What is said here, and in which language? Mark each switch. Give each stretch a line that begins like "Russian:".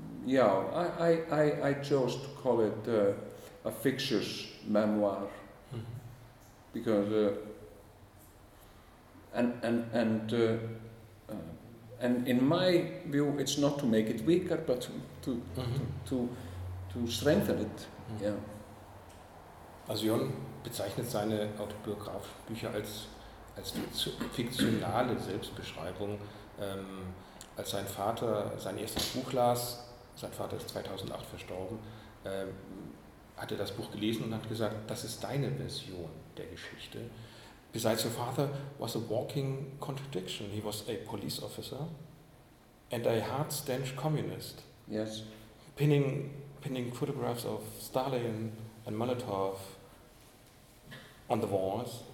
English: I chose to call it a fictitious memoir, mm-hmm. because in my view, it's not to make it weaker, but to strengthen it. Mm-hmm. Yeah.
German: Also Jon bezeichnet seine autobiografischen Bücher als fiktionale Selbstbeschreibung. Als sein Vater sein erstes Buch las, sein Vater ist 2008 verstorben. Hatte das Buch gelesen und hat gesagt, das ist deine Version der Geschichte.
English: Besides, your father was a walking contradiction. He was a police officer and a hard-stanch communist. Yes. Pinning photographs of Stalin and Molotov on the walls.